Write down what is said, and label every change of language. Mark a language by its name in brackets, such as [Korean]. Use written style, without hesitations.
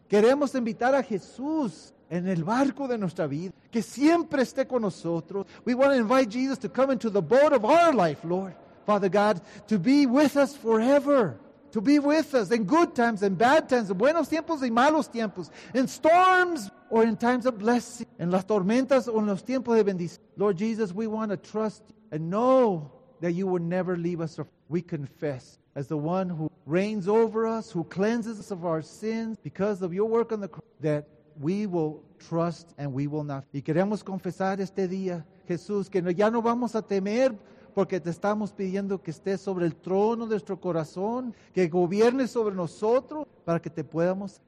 [Spanish] Queremos invitar a Jesús en el barco de nuestra vida, que siempre esté con nosotros. [English] We want to invite Jesus to come into the boat of our life, Lord. Father God, to be with us forever, to be with us in good times and bad times, [Spanish] en buenos tiempos y malos tiempos, [English] in storms or in times of blessing, [Spanish] en las tormentas o en los tiempos de bendición. [English] Lord Jesus, we want to trust and know that you will never leave us. We confess as the one who reigns over us, who cleanses us of our sins because of your work on the cross, that we will trust and we will not. [Spanish] Y queremos confesar este día, Jesús, que ya no vamos a temer, porque te estamos pidiendo que estés sobre el trono de nuestro corazón, que gobierne sobre nosotros, para que te podamos...